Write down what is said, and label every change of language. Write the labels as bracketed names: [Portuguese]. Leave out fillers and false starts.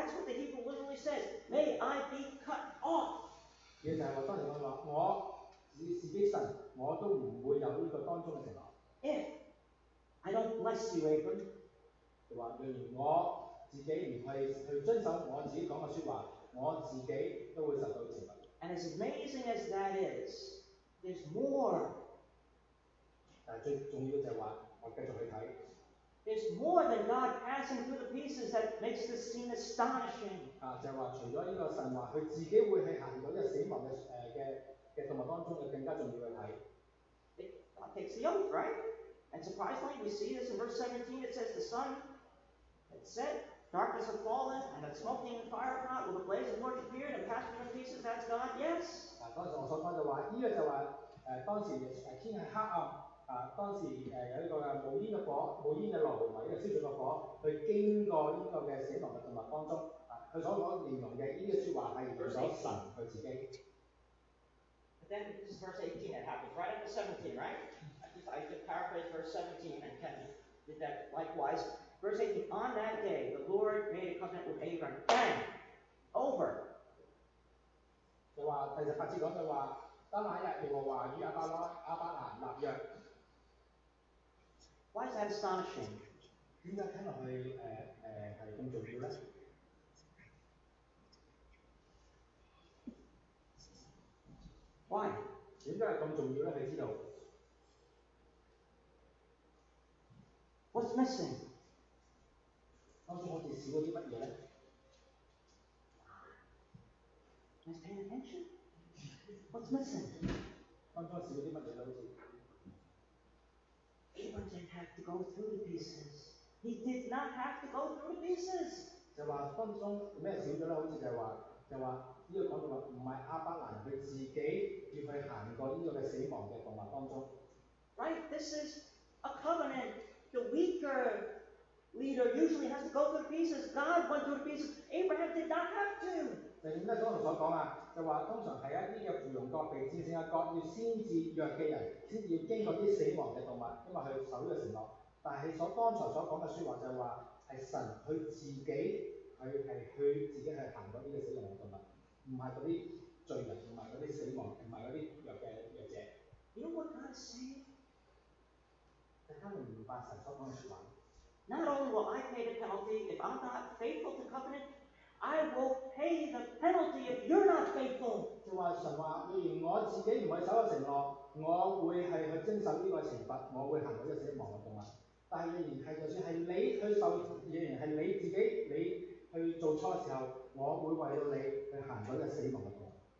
[English] That's what the Hebrew literally says. May I be cut off？ [Cantonese] 其實我當時咁講，我自是必神，我都唔會有呢個當中嘅承諾。 [English] If I don't bless you, Abram， [Cantonese] 就話若然我自己唔去遵守我自己講嘅説話，我自己都會受到懲罰。 [English] And as amazing as that is, there's more。 [Cantonese] 但最重要就係話，我繼續去睇。 [English] There's more than God passing through the pieces that makes this scene astonishing. [Cantonese] 就話除咗呢個神話，佢自己會係行到呢個死亡嘅嘅動物當中，就更加重要去睇。 [English] God takes the oath, right? And surprisingly, we see this in verse 17. It says, "The sun had set, darkness had fallen, and a smoking fire cloud with a blaze of torch appeared and passed through the pieces." That's God, yes. [Cantonese] 當時我所講就話，呢個就話當時天係黑暗。當時有呢個嘅冒煙嘅火，冒煙嘅爐同埋呢個燒著嘅火，去經過呢個嘅死亡嘅動物當中。佢所講形容嘅呢個説話係形容神佢自己。 [English] But then this is verse 18 that happens right after 17, right? I just paraphrase verse 17 and Ken did that likewise. Verse 18: On that day, the Lord made a covenant with Abram. Bang, over. [Cantonese] 就話第十八節講就話，當那一日耶和華與亞伯蘭立約。 [English] Why is that astonishing? [Cantonese] 點解聽落去係咁重要咧？ [English] Why？ [Cantonese] 點解係咁重要咧？你知道？ [English] What's missing？ [Cantonese] 當中我哋少咗啲乜嘢咧？ [English] Is paying attention？ What's missing？ [Cantonese] 當中少咗啲乜嘢咧？好似？ [English] Abram didn't have to go through the pieces. He did not have to go through the pieces. [Cantonese] 就話當中咩少咗咧？好似就話呢個講到話唔係亞伯蘭佢自己要去行過呢個嘅死亡嘅動物當中。 [English] Right, this is a covenant. The weaker leader usually has to go through the pieces. God went through the pieces. Abraham did not have to. [Cantonese] 就點解當時所講啊？就話通常係一啲嘅附庸國、被戰勝嘅國，要先至弱嘅人，先要經過啲死亡嘅動物，因為佢守呢個承諾。但係所剛才所講嘅説話就話，係神佢自己，佢自己係行過呢個死亡嘅動物，唔係嗰啲罪人，唔係嗰啲死亡，唔係嗰啲弱嘅弱者。 [English] You know what God say？ [Cantonese] 大家明白神所講嘅説話。 [English] Not only will I pay the penalty if I'm not faithful to covenant。 I will pay the penalty if you're not faithful. [Cantonese] 就話神話，既然我自己唔係守咗承諾，我會係去遵守呢個懲罰，我會行到一死亡嘅動物。但係既然係你自己你去做錯嘅時候，我會為到你去行到一死亡嘅動物。